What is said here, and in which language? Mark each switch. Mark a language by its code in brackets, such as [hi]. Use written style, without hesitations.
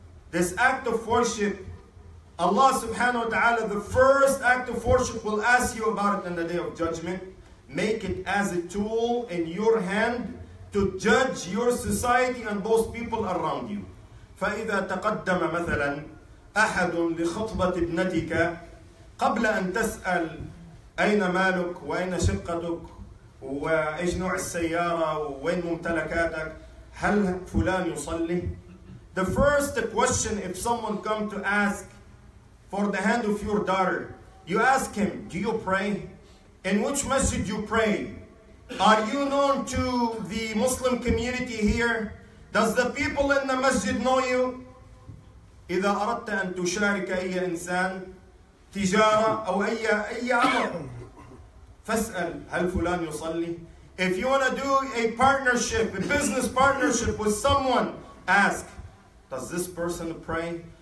[en] This act of worship, Allah subhanahu wa ta'ala, the first act of worship will ask you about it in the day of judgment. Make it as a tool in your hand to judge your society and those people around you. [ar] فإذا تقدم مثلا أحد لخطبة ابنتك قبل أن تسأل أين مالك وأين شقتك وإيش نوع السيارة وين ممتلكاتك هل فلان يصلي. [en] The first question, if someone comes to ask for the hand of your daughter, you ask him, do you pray? In which masjid you pray? Are you known to the Muslim community here? Does the people in the masjid know you? [ar] إذا أردت أن تشارك أي إنسان تجارة أو أي عمل فاسأل هل فلان يصلي؟ [en] If you want to do a partnership, a business partnership with someone, ask, does this person pray?